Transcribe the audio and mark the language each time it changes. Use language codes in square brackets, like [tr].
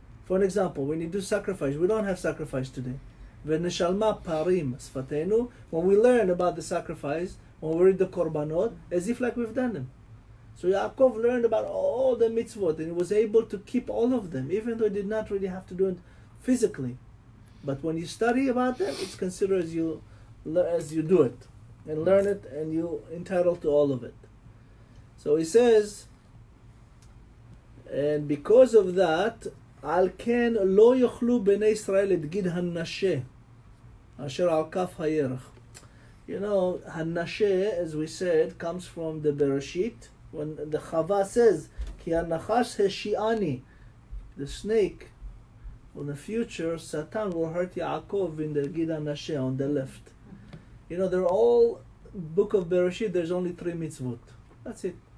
[en] For an example, when you do sacrifice, we don't have sacrifice today. [he] ונשלמה פרים שפתנו, [en] when we learn about the sacrifice, when we read the korbanot, as if like we've done them. So Yaakov learned about all the mitzvot, and he was able to keep all of them, even though he did not really have to do it physically. But when you study about them, it's considered as you do it, and learn it, and you entitled to all of it. So he says, and because of that, [he] על כן לא יוכלו בני ישראל את גיד הנשה אשר על כף הירך. [en] You know, הנשה, as we said, comes from the Bereshit. When the Chava says, [he] כי הנחש השיעני, [en] the snake, in the future, Satan will hurt Yaakov in the גיד הנשה, on the left. You know, they're all, book of Bereshit, there's only three mitzvot. That's it.